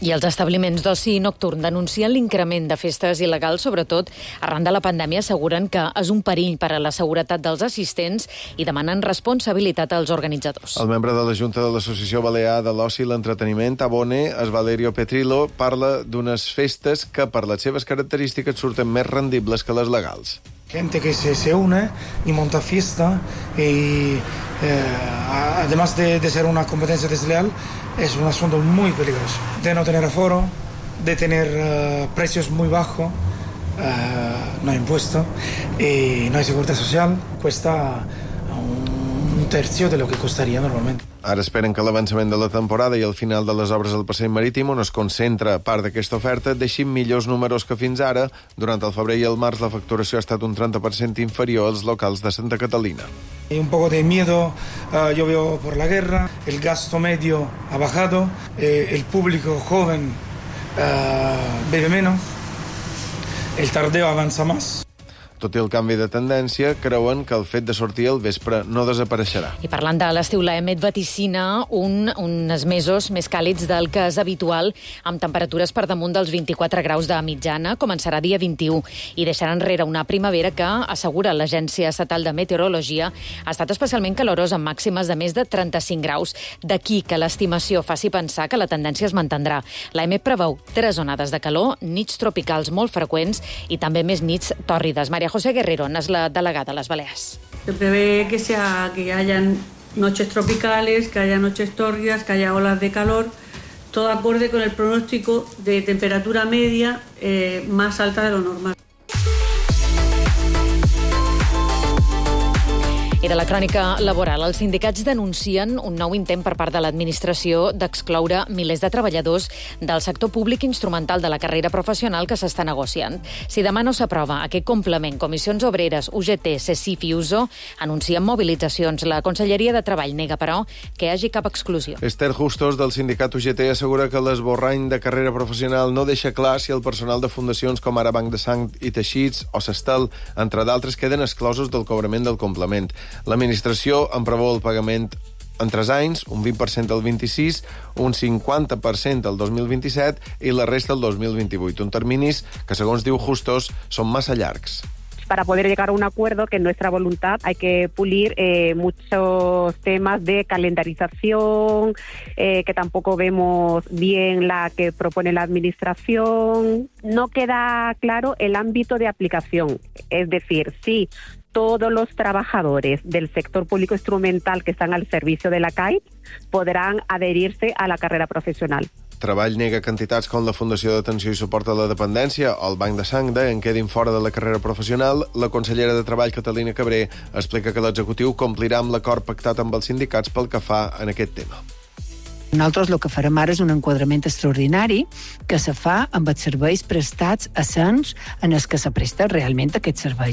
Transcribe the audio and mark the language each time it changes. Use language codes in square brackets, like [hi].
[ca] I els establiments d'oci i nocturn denuncien l'increment de festes il·legals, sobretot arran de la pandèmia, asseguren que és un perill per a la seguretat dels assistents i demanen responsabilitat als organitzadors. El membre de la Junta de l'Associació Balear de l'Oci i l'Entreteniment, Abone, es Valerio Petrillo, parla d'unes festes que, per les seves característiques, surten més rendibles que les legals. [es] Gente que se une y monta fiesta y además de ser una competencia desleal, es un asunto muy peligroso. De no tener aforo, de tener precios muy bajos, no hay impuesto y no hay seguridad social, cuesta un tercio de lo que costaría normalmente. [ca] Ara esperen que l'avançament de la temporada i el final de les obres al passeig marítim, on es concentra part d'aquesta oferta, deixin millors números que fins ara. Durant el febrer i el març, la facturació ha estat un 30% inferior als locals de Santa Catalina. [es] Hay un poco de miedo, yo veo por la guerra, el gasto medio ha bajado, el público joven bebe menos, el tardeo avanza más. [ca] Tot i el canvi de tendència, creuen que el fet de sortir al vespre no desapareixerà. I parlant de l'estiu, l'EMET vaticina uns mesos més càlids del que és habitual, amb temperatures per damunt dels 24 graus de mitjana. Començarà dia 21 i deixarà enrere una primavera que, assegura l'Agència Estatal de Meteorologia, ha estat especialment calorosa amb màximes de més de 35 graus. D'aquí que l'estimació faci pensar que la tendència es mantindrà. L'EMET preveu 3 onades de calor, nits tropicals molt freqüents i també més nits tòrrides. [es] María José Guerrero es la delegada de las Baleas. Se prevé que haya noches tropicales, que haya noches tórridas, que haya olas de calor, todo acorde con el pronóstico de temperatura media más alta de lo normal. [ca] de la crònica laboral, els sindicats denuncien un nou intent per part de l'administració d'excloure milers de treballadors del sector públic instrumental de la carrera professional que s'està negociant. Si demà no s'aprova aquest complement, Comissions Obreres, UGT, CESIF i USO anuncien mobilitzacions. La Conselleria de Treball nega, però, que hi hagi cap exclusió. Esther Justos, del sindicat UGT, assegura que l'esborrany de carrera professional no deixa clar si el personal de fundacions com ara Banc de Sang i Teixits o Sestal, entre d'altres, queden exclosos del cobrament del complement. L'administració en preveu el pagament en 3 anys, un 20% el 26, un 50% el 2027 i la resta el 2028. Un terminis que, segons diu Justos, són massa llargs. [es] Para poder llegar a un acuerdo, que es nuestra voluntad, hay que pulir muchos temas de calendarización, que tampoco vemos bien la que propone la administración. No queda claro el ámbito de aplicación, es decir, si todos los trabajadores del sector público instrumental que están al servicio de la CAI podrán adherirse a la carrera profesional. [ca] Treball nega que entitats com la Fundació d'Atenció i Suport a la Dependència o el Banc de Sang en quedin fora de la carrera professional. La consellera de Treball, Catalina Cabré, explica que l'executiu complirà amb l'acord pactat amb els sindicats pel que fa en aquest tema. Nosaltres el que farem ara és un enquadrament extraordinari que se fa amb els serveis prestats a SANS en els que se presta realment aquest servei.